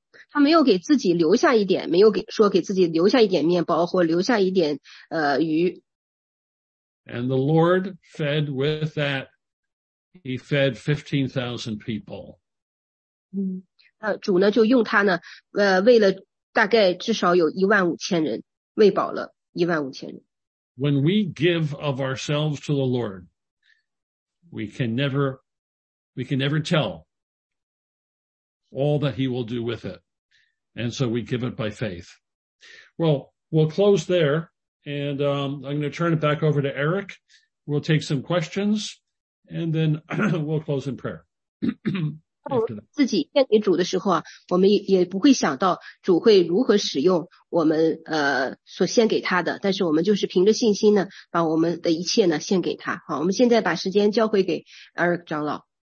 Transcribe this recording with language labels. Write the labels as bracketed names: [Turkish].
[Chinese] 他没有给自己留下一点，没有给说给自己留下一点面包或留下一点鱼。 [English] And the Lord fed with that. He fed 15,000 people. [Chinese] 主呢就用他呢为了大概至少有一万五千人喂饱了一万五千人。 [English] When we give of ourselves to the Lord, we can never tell all that he will do with it. And so we give it by faith. Well, we'll close there. And I'm going to turn it back over to Eric. We'll take some questions and then we'll close in prayer. [Chinese] 自己献给主的时候啊，我们也不会想到主会如何使用我们所献给他的，但是我们就是凭着信心呢，把我们的一切呢献给他。好，我们现在把时间交回给 Eric 长老。